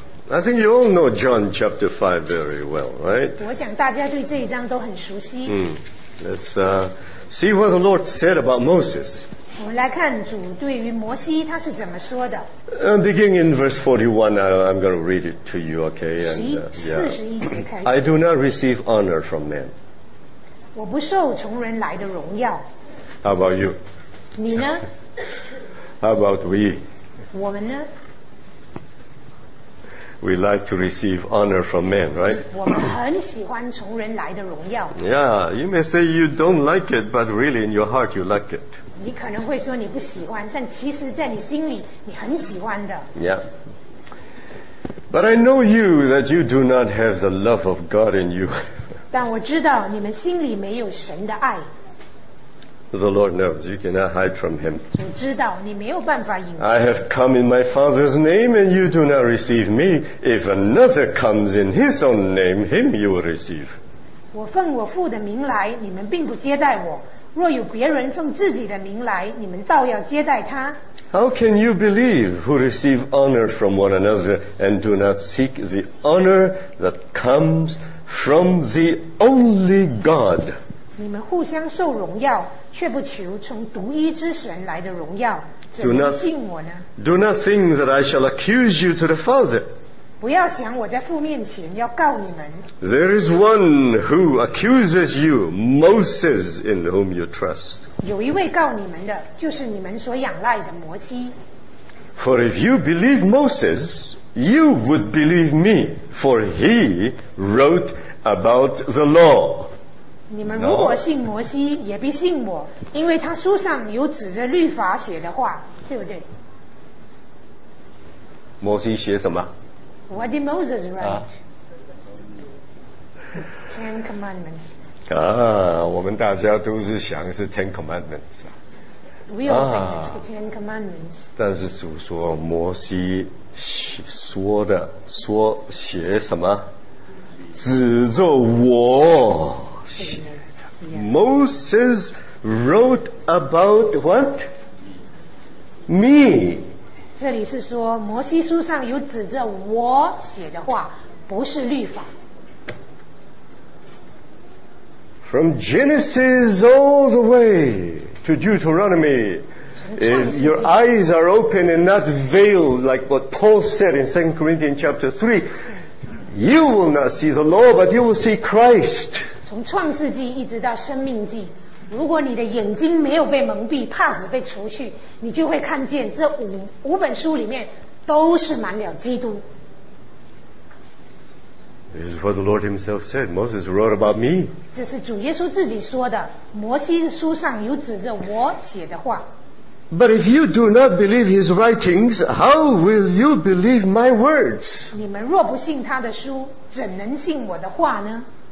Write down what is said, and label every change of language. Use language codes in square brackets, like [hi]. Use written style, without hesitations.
[en] I think you all know John chapter 5 very well, right? [zh] 我想大家对这一章都很熟悉。 [en] Let's see what the Lord said about Moses. [zh] 我们来看主对于摩西他是怎么说的。 [en] Beginning in verse 41, I'm going to read it to you, okay? [zh] 41节开始。 [en] I do not receive honor from men. [zh] 我不受从人来的荣耀。 [en] How about you? [zh] 你呢？ [en] How about we? [zh] 我们呢? [en] We like to receive honor from men, right? [zh] 我们很喜欢从人来的荣耀。 [en] Yeah, you may say you don't like it, but really in your heart you like it. [zh] 你可能会说你不喜欢，但其实在你心里你很喜欢的。 [en] Yeah. But I know you, that you do not have the love of God in you. [zh] 但我知道你们心里没有神的爱。 [en] The Lord knows. You cannot hide from him. [zh] 主知道你没有办法隐藏。 [en] I have come in my Father's name and you do not receive me. If another comes in his own name, him you will receive. [zh] 我奉我父的名来，你们并不接待我。若有别人奉自己的名来，你们倒要接待他。 [en] How can you believe who receive honor from one another and do not seek the honor that comes from the only God? [zh] 你们互相受荣耀，却不求从独一之神来的荣耀，怎能信我呢？ [en] Do not think that I shall accuse you to the Father. [zh] 不要想我在父面前要告你们。 [en] There is one who accuses you, Moses, in whom you trust. [zh] 有一位告你们的，就是你们所仰赖的摩西。 [en] For if you believe Moses, you would believe me, for he wrote about the law. [zh] 你们如果信摩西，也必信我，因为他书上有指着律法写的话，对不对？摩西写什么？ [en] What did Moses write? Ten Commandments. [zh] 啊，我们大家都是想是 Ten Commandments. [en] We all think it's the Ten Commandments. [zh] 但是主说摩西说的说写什么？指着我写的。 [en] Moses wrote about what? Me. [zh] 这里是说摩西书上有指着我写的话，不是律法。 [en] From Genesis all the way to Deuteronomy, if your eyes are open and not veiled, like what Paul said in 2 Corinthians chapter 3, you will not see the law, but you will see Christ. [zh] 从创世纪一直到生命纪，如果你的眼睛没有被蒙蔽，帕子被除去，你就会看见这 五本书里面都是满了基督。 [en] This is what the Lord himself said. Moses wrote about me. [zh] 这是主耶稣自己说的，摩西书上有指着我写的话。 [en] But if you do not believe his writings, how will you believe my words? [zh] 你们若不信他的书，怎能信我的话呢？